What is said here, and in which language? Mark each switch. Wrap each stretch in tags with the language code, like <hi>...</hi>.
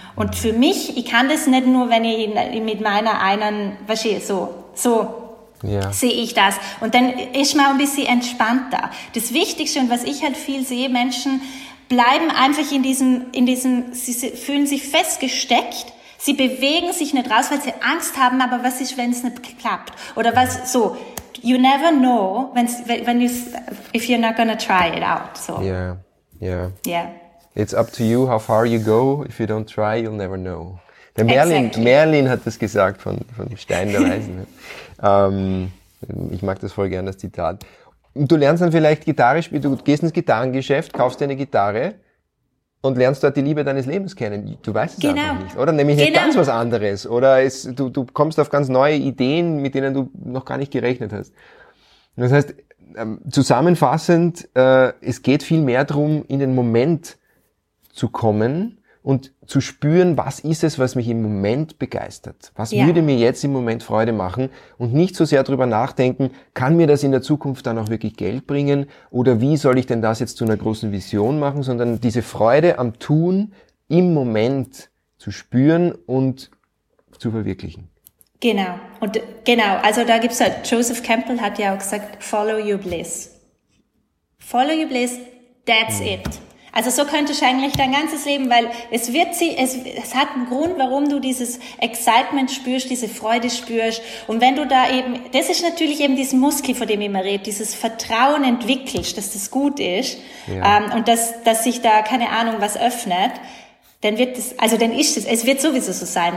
<de>Und für mich, ich kann das nicht nur, wenn ich mit meiner einen, weißt du, so ja, sehe ich das. Und dann ist man ein bisschen entspannter. Das Wichtigste und was ich halt viel sehe, Menschen bleiben einfach in diesem, sie fühlen sich festgesteckt, sie bewegen sich nicht raus, weil sie Angst haben, aber was ist, wenn es nicht klappt? Oder was, so,</de> <en>you never know, if you're not gonna try it out, so. Yeah. It's up to you, how far you go, if you don't try, you'll never know.</en> <de>Der Merlin,</de> <en>exactly.</en> <de>Merlin hat das gesagt von Stein der Weisen. ich mag das voll gerne, das Zitat. Und du lernst dann vielleicht Gitarre spielen, du gehst ins Gitarrengeschäft, kaufst dir eine Gitarre und lernst dort die Liebe deines Lebens kennen. Du weißt es genau. Einfach nicht, oder? Nämlich genau. Nicht ganz was anderes. Oder du kommst auf ganz neue Ideen, mit denen du noch gar nicht gerechnet hast. Das heißt, zusammenfassend, es geht viel mehr darum, in den Moment zu kommen und zu spüren, was ist es, was mich im Moment begeistert? Was würde mir jetzt im Moment Freude machen? Und nicht so sehr darüber nachdenken, kann mir das in der Zukunft dann auch wirklich Geld bringen? Oder wie soll ich denn das jetzt zu einer großen Vision machen? Sondern diese Freude am Tun im Moment zu spüren und zu verwirklichen. Genau. Und genau, also da gibt's halt, Joseph Campbell hat ja auch gesagt,</de> <en>follow your bliss. Follow your bliss, that's it.</en> <de>Also so könntest du eigentlich dein ganzes Leben, weil es hat einen Grund, warum du dieses Excitement spürst, diese Freude spürst. Und wenn du da eben, das ist natürlich eben dieses Muskel, von dem ich immer rede, dieses Vertrauen entwickelst, dass das gut ist, ja. Und dass sich da, keine Ahnung, was öffnet, dann wird es, also dann ist es, es wird sowieso so sein.</de>